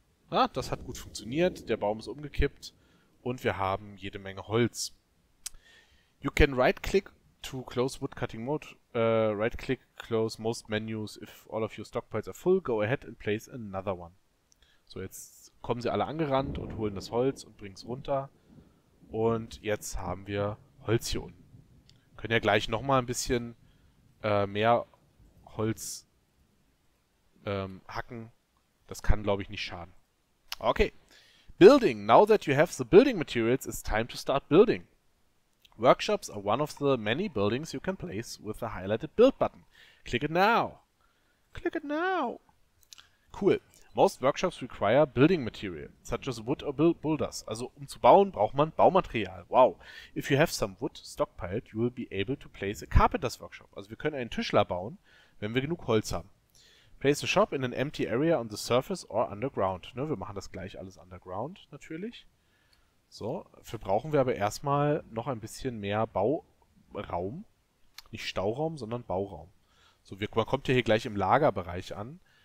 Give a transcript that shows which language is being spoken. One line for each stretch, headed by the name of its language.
German: Ah, das hat gut funktioniert. Der Baum ist umgekippt. Und wir haben jede Menge Holz.
English: You can right-click to close woodcutting mode. Right-click, close most menus. If all of your stockpiles are full, go ahead and place another one.
German: So, jetzt kommen sie alle angerannt und holen das Holz und bringen es runter. Und jetzt haben wir Holz hier unten. Können ja gleich nochmal ein bisschen mehr Holz hacken. Das kann, glaube ich, nicht schaden. Okay. Building.
English: Now that you have the building materials, it's time to start building. Workshops are one of the many buildings you can place with the highlighted build button. Click it now. Click it now. Cool. Most workshops require building material, such as wood or boulders.
German: Also um zu bauen, braucht man Baumaterial. Wow.
English: If you have some wood stockpiled, you will be able to place a carpenter's workshop.
German: Also wir können einen Tischler bauen, wenn wir genug Holz haben.
English: Place a shop in an empty area on the surface or underground.
German: Ne, wir machen das gleich alles underground, natürlich. So, dafür brauchen wir aber erstmal noch ein bisschen mehr Bauraum. Nicht Stauraum, sondern Bauraum. So, man kommt ja hier gleich im Lagerbereich an.